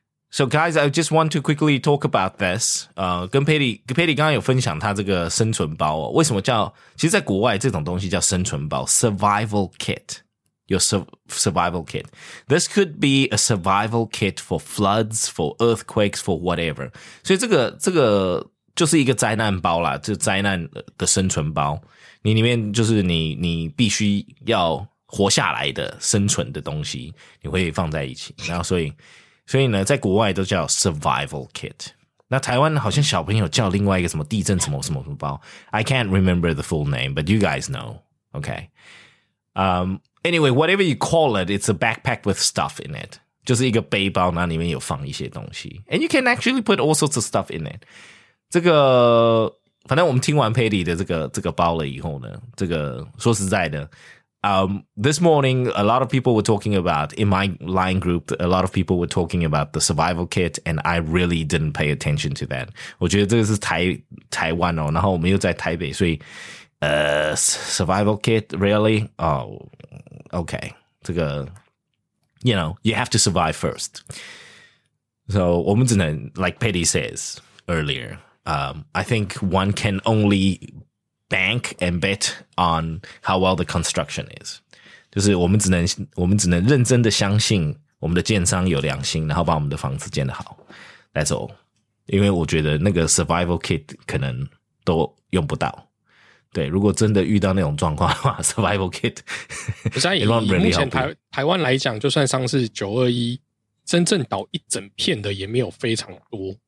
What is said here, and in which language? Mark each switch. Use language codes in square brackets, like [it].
[en] So guys, I just want to quickly talk about this. [zh] 跟 Patty 刚刚有分享他这个生存包哦。为什么叫，其实在国外这种东西叫生存包 ,survival kit. Survival kit. [en] This could be a survival kit for floods, for earthquakes, for whatever. [zh] 所以这个就是一个灾难包啦，就灾难的生存包。你里面就是你必须要活下来的生存的东西你会放在一起。然后所以呢在国外都叫 survival kit。那台湾好像小朋友叫另外一个什么地震什么什么什么包。 [en] I can't remember the full name, but you guys know. Okay. Anyway, whatever you call it, it's a backpack with stuff in it. [zh] 就是一个背包那里面有放一些东西。 [en] And you can actually put all sorts of stuff in it. [zh] 这个反正我们听完 Patty 的这个包了以后呢这个说实在的 [en] this morning, a lot of people were talking about, in my line group, a lot of people were talking about the survival kit, and I really didn't pay attention to that. [zh] 我觉得这个是台湾哦，然后我们又在台北，所以 [en] survival kit, really? Oh, okay. 这个 you know, you have to survive first. So, [zh] 我们只能, [en] like Patty says earlier, I think one can only... bank and bet on how well the construction is. [zh] 就是我们只能认真的相信我们的建商有良心然后把我们的房子建得好。 [en] That's all. [zh] 因为我觉得那个 survival kit 可能都用不到。对如果真的遇到那种状况的话 survival kit 不是以目前台湾来讲就算上次921真正倒一整片的也没有非常多。